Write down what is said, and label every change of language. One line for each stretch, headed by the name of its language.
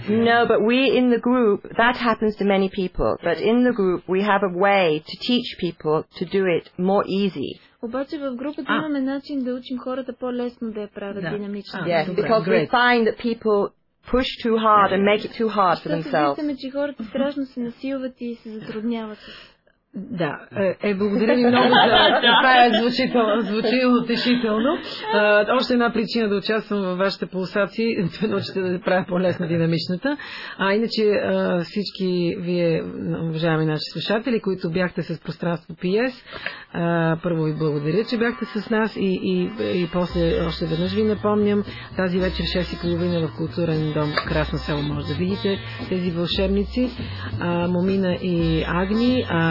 English: No, but we in the group, that happens to many people, but in the group we have a way to teach people to do it more easy.
Bulgarian: Обаче в групата имаме начин да учим хората по-лесно да я правят динамично. Yes, because we find that people push too hard and make it too hard for themselves. Защото виждаме, че хората страшно се насилват и се затрудняват. Да, благодаря ви много за това, е звучи утешително. Още една причина да участвам във вашите пулсации, да научите да правя по-лесна динамичната. А иначе всички вие, уважаеми наши слушатели, които бяхте с пространство PS, първо ви благодаря, че бяхте с нас и после още веднъж ви напомням, тази вечер 6:30 в културен дом Красно село може да видите тези вълшебници, Момина и Агни.